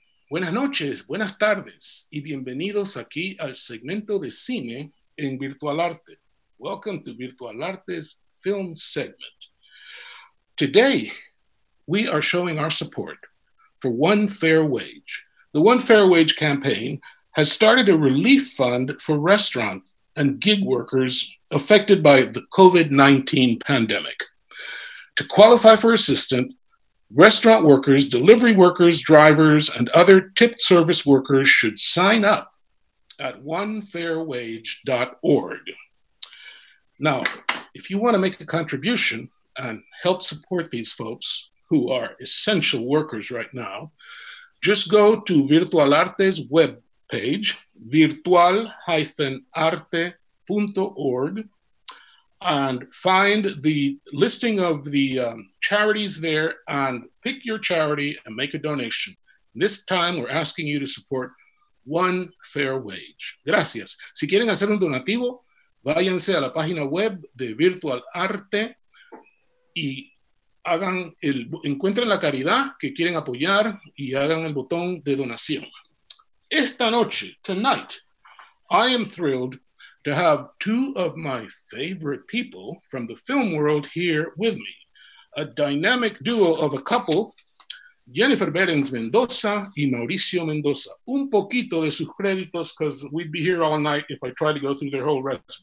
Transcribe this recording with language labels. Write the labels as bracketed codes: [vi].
[es] Buenas noches, buenas tardes, y bienvenidos aquí al segmento de cine en Virtual Arte. [en] Welcome to Virtual Arte's film segment. Today, we are showing our support for One Fair Wage. The One Fair Wage campaign has started a relief fund for restaurants and gig workers affected by the COVID-19 pandemic. To qualify for assistance, restaurant workers, delivery workers, drivers, and other tipped service workers should sign up at onefairwage.org. Now, if you want to make a contribution and help support these folks who are essential workers right now, just go to Virtual Arte's webpage, virtual-arte.org, and find the listing of the charities there and pick your charity and make a donation. This time we're asking you to support One Fair Wage. [es] Gracias. Si quieren hacer un donativo, váyanse a la página web de Virtual Arte y hagan el, encuentren la caridad que quieren apoyar y hagan el botón de donación. Esta noche, [en] tonight, I am thrilled to have two of my favorite people from the film world here with me, a dynamic duo of a couple, Yeniffer Behrens-Mendoza and Mauricio Mendoza. [es] Un poquito de sus créditos, [en] because we'd be here all night if I tried to go through their whole resume.